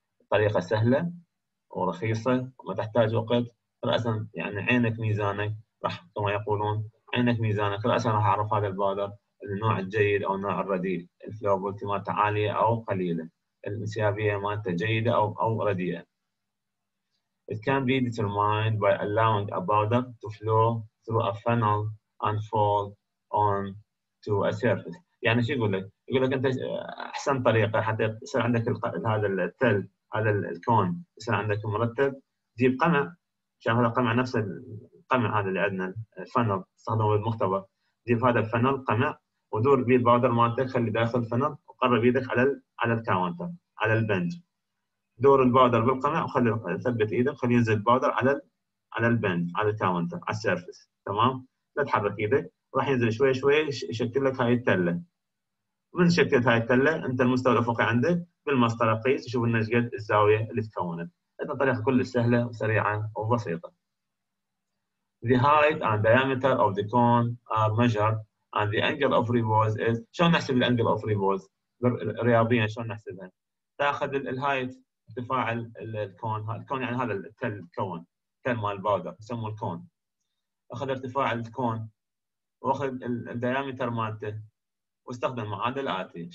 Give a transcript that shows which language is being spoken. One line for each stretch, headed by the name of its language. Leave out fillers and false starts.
Arabic: طريقة سهلة ورخيصة وما تحتاج وقت، رأسا يعني عينك ميزانك، راح كما يقولون عينك ميزانك، رأسا راح أعرف هذا البودر النوع الجيد أو النوع الرديء، الفلوبلتي مالته عالية أو قليلة، الانسيابية مالته جيدة أو رديئة.
English: It can be determined by allowing a powder to flow through a funnel and fall on to a surface.
Arabic: يعني شو يقول لك؟ يقول لك أنت أحسن طريقة حتى يصير عندك هذا التل، هذا الكون يصير عندك مرتب، جيب قمع، عشان هذا القمع نفس القمع هذا اللي عندنا الفنل استخدمه بالمختبر، جيب هذا الفنل قمع ودور بيه الباودر مالتك، خلي داخل الفنل وقرب ايدك على الكاونتر على البنج، دور الباودر بالقمع وخلي ثبت ايدك، خلي ينزل الباودر على البنج على الكاونتر على السيرفس. تمام؟ لا تتحرك ايدك، راح ينزل شوي شوي يشكل لك هاي التله. من شكلت هاي التله انت المستوى الافقي عندك بالمسطره قيس تشوف لنا ايش قد الزاويه اللي تكونت. هذه طريقه كلش سهله وسريعه وبسيطه.
English: The height and diameter of the cone are measured and the angle of repose is.
Arabic: شلون نحسب ال angle of repose؟ رياضيا شلون نحسبها؟ تاخذ ال height ارتفاع الكون، الكون يعني هذا التل كون، تل مال الباودر يسموه الكون. اخذ ارتفاع الكون واخذ ال diameter مالته واستخدم المعادله الاتي.